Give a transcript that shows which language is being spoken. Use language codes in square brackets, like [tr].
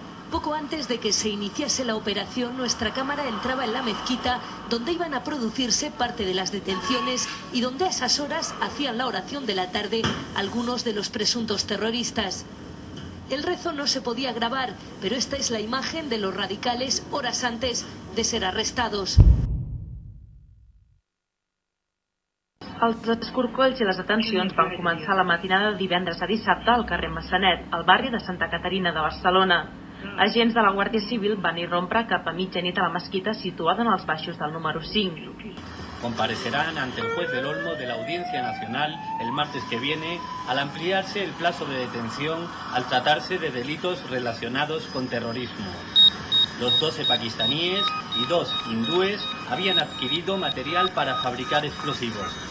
[es] poco antes de que se iniciase la operación, nuestra cámara entraba en la mezquita donde iban a producirse parte de las detenciones y donde a esas horas hacían la oración de la tarde algunos de los presuntos terroristas. El rezo no se podía grabar, pero esta es la imagen de los radicales horas antes de ser arrestados. [ca] Els escorcolls i les detencions van començar la matinada de divendres a dissabte al carrer Massanet, al barri de Santa Caterina de Barcelona. Agents de la Guàrdia Civil van irrompre cap a mitjanit a la mesquita situada en els baixos del número 5. [es] Comparecerán ante el juez del Olmo de la Audiencia Nacional el martes que viene al ampliarse el plazo de detención al tratarse de delitos relacionados con terrorismo. Los 12 pakistaníes y 2 hindúes habían adquirido material para fabricar explosivos.